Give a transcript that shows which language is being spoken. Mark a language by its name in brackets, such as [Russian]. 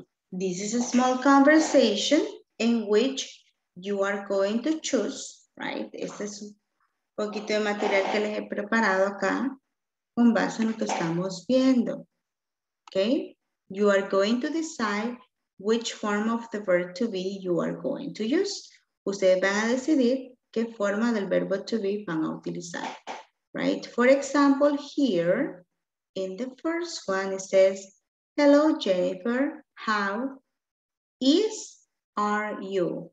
[English] This is a small conversation in which you are going to choose, right? [Spanish] Este es un poquito de material que les he preparado acá con base en lo que estamos viendo, okay? [English] You are going to decide which form of the verb to be you are going to use. [Spanish] Ustedes van a decidir qué forma del verbo to be van a utilizar, right? [English] For example, here in the first one, it says, hello, Jennifer, how is, are you?